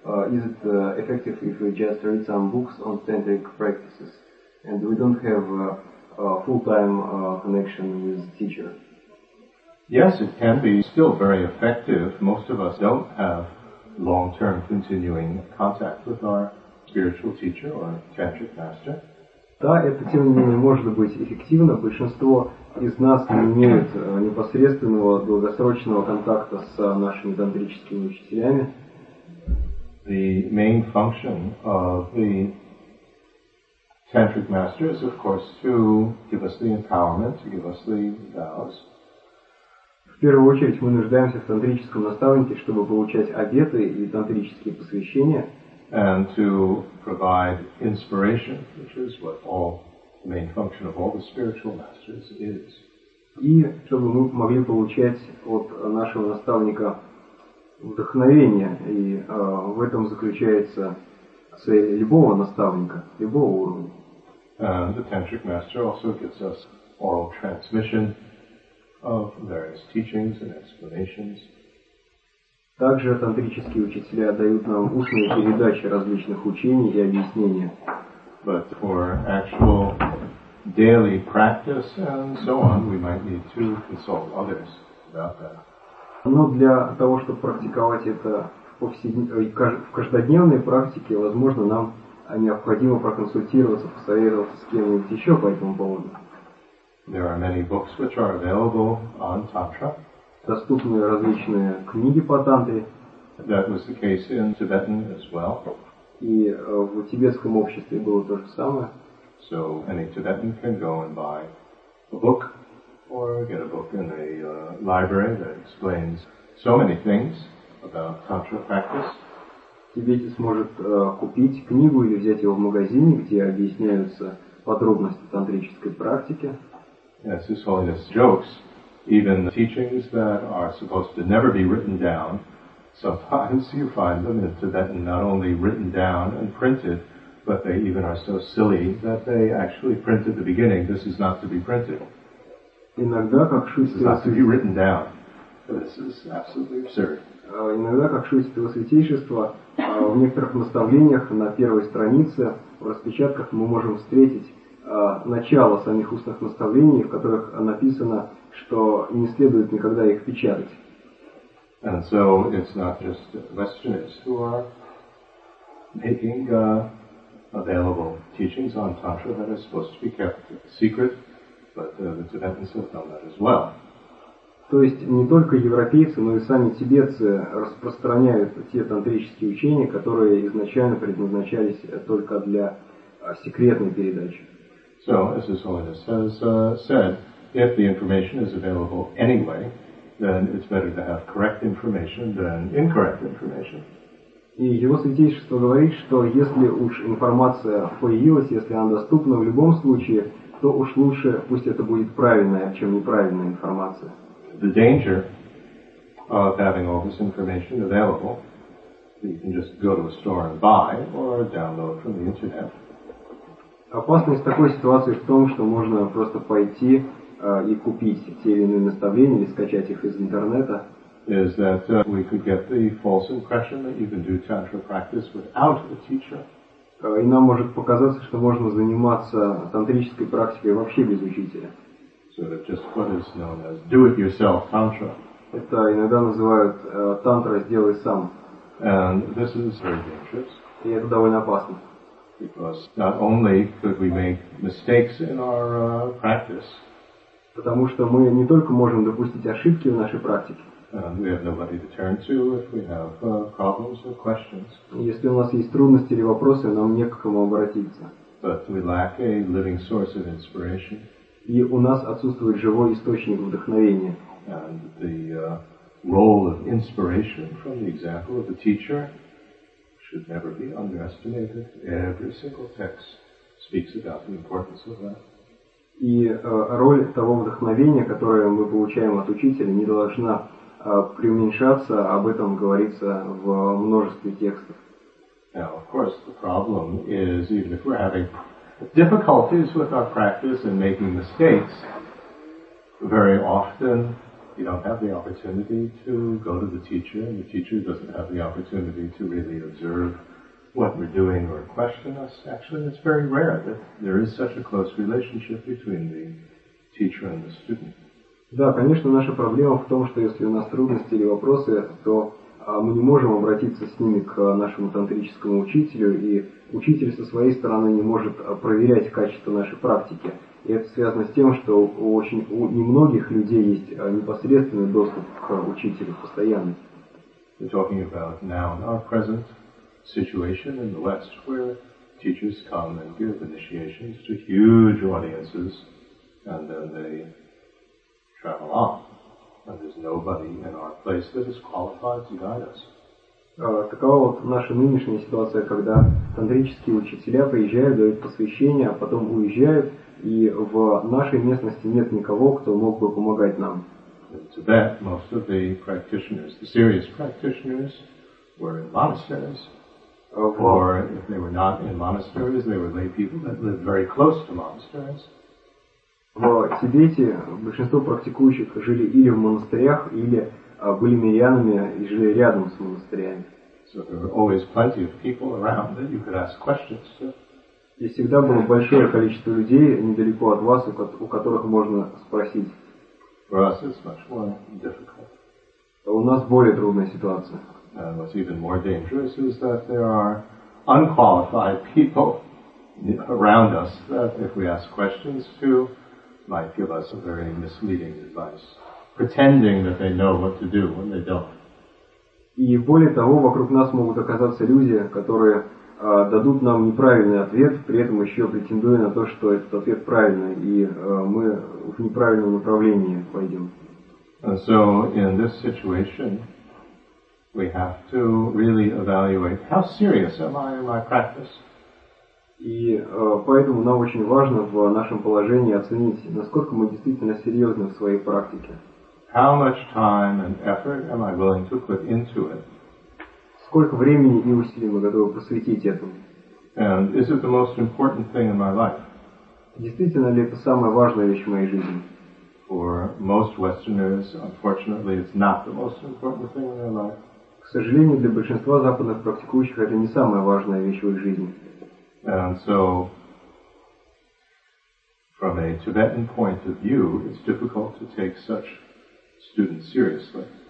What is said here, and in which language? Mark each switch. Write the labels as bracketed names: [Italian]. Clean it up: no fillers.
[English] Is it effective if we just read some books on tantric practices and we don't have a full-time connection with the teacher? Yes, it can be still very effective. Most of us don't have long-term continuing contact with our spiritual teacher or tantric master. [Russian] Да, это тем не менее может быть эффективно. Большинство из нас не имеют непосредственного долгосрочного контакта с нашими тантрическими учителями. [English] The main function of the tantric master is, of course, to give us the empowerment, to give us the vows. [Russian] В первую очередь мы нуждаемся в тантрическом наставнике, чтобы получать обеты и тантрические посвящения. [English] And to provide inspiration, which is what all the main function of all the spiritual masters is. [Russian] И чтобы мы могли получать от нашего наставника вдохновение, и в этом заключается цель любого наставника, любого уровня. [English] And the tantric master also gives us oral transmission of various teachings and explanations. [Russian] Также тантрические учителя дают нам устные передачи различных учений и объяснений. [English] But for actual daily practice and so on, we might need to consult others about that. [Russian] Но для того, чтобы практиковать это в каждодневной практике, возможно, нам необходимо проконсультироваться, посоветоваться с кем-нибудь еще по этому поводу. [English] There are many books which are available on Tantra. [Russian] Доступны различные книги по тантре. [English] That was the case in Tibetan as well. [Russian] И в тибетском обществе было то же самое. [English] So any Tibetan can go and buy a book or get a book in a library that explains so many things about tantra practice. [Russian] Тибетец может купить книгу или взять ее в магазине, где объясняются подробности тантрической практики. [English] Yes, His Holiness jokes. Even the teachings that are supposed to never be written down, sometimes you find them in Tibetan not only written down and printed, but they even are so silly that they actually print at the beginning, this is not to be printed. [Russian] Иногда, как шутит, [English] this is not to be written down. This is absolutely absurd. [Russian] Иногда, как шутит его святейшество, в некоторых наставлениях на первой странице в распечатках мы можем встретить начало самих устных наставлений, в которых написано, что не следует никогда их печатать. [English] And so it's not just Westerners who are making available teachings on Tantra that are supposed to be kept secret, but the Tibetans have done that as well. [Russian] То есть не только европейцы, но и сами тибетцы распространяют те тантрические учения, которые изначально предназначались только для секретной передачи. [English] So, as His Holiness has said, if the information is available anyway, then it's better to have correct information than incorrect information. [Russian] И его святейшество говорит, что если уж информация появилась, если она доступна в любом случае, то уж лучше пусть это будет правильная, чем неправильная информация. [English] The danger of having all this information available, you can just go to a store and buy or download from the internet. [Russian] Опасность такой ситуации в том, что можно просто пойти и купить те или иные наставления, или скачать их из интернета. [English] Is that we could get the false impression that you can do tantra practice without a teacher. [Russian] И нам может показаться, что можно заниматься тантрической практикой вообще без учителя. [English] So that just what is known as do-it-yourself tantra. [Russian] Это иногда называют тантра «сделай сам». [English] And this is very dangerous. [Russian] И это довольно опасно. [English] Because not only could we make mistakes in our practice, [Russian] потому что мы не только можем допустить ошибки в нашей практике. [English] We have nobody to turn to if we have problems or questions. [Russian] Если у нас есть трудности или вопросы, нам не к кому обратиться. [English] but we lack a living source of inspiration. [Russian] И у нас отсутствует живой источник вдохновения. [English] And the role of inspiration from the example of the teacher should never be underestimated. Every single text speaks about the importance of that. [Russian] И роль того вдохновения, которое мы получаем от учителя, не должна преуменьшаться, об этом говорится в множестве текстов. [English] Now, of course, the problem is, even if we're having difficulties with our practice and making mistakes, very often you don't have the opportunity to go to the teacher, and the teacher doesn't have the opportunity to really observe what we're doing or question us. Actually, it's very rare that there is such a close relationship between the teacher and the student. [Russian] Да, конечно, наша проблема в том, что если у нас трудности или вопросы, то мы не можем обратиться с ними к нашему тантрическому учителю, и учитель со своей стороны не может проверять качество нашей практики. И это связано с тем, что у немногих людей есть непосредственный доступ к учителю постоянно. [English] We're talking about now in our present situation in the West, where teachers come and give initiations to huge audiences, and then they travel off. And there's nobody in our place that is qualified to guide us. [Russian] Такова вот наша нынешняя ситуация, когда тантрические учителя приезжают, дают посвящение, а потом уезжают, и в нашей местности нет никого, кто мог бы помогать нам. [English] In Tibet, most of the practitioners, the serious practitioners, were in monasteries. Or if they were not in monasteries, they were lay people that lived very close to monasteries. [Russian] В Тибете большинство практикующих жили или в монастырях, или были мирянами и жили рядом с монастырями. [English] So there were always plenty of people around that you could ask questions to. [Russian] И всегда было большое количество людей недалеко от вас, у которых можно спросить. [English] For us it's much more difficult. [Russian] У нас более трудная ситуация. [English] And what's even more dangerous is that there are unqualified people around us that if we ask questions to might give us a very misleading advice, pretending that they know what to do when they don't. [Russian] И более того, вокруг нас могут оказаться люди, которые дадут нам неправильный ответ, при этом еще претендуя на то, что этот ответ правильный, и мы в неправильном направлении пойдем. [English] And so in this situation, we have to really evaluate how serious am I in my practice. [Russian] И поэтому нам очень важно в нашем положении оценить, насколько мы действительно серьезны в своей практике. [English] How much time and effort am I willing to put into it? [Russian] Сколько времени и усилий мы готовы посвятить этому? [English] And is it the most important thing in my life? [Russian] Действительно ли это самая важная вещь в моей жизни? [English] For most Westerners, unfortunately, it's not the most important thing in their life. [Russian] К сожалению, для большинства западных практикующих это не самая важная вещь в их жизни. [English] And so, from a Tibetan point of view, it's difficult to take such students seriously.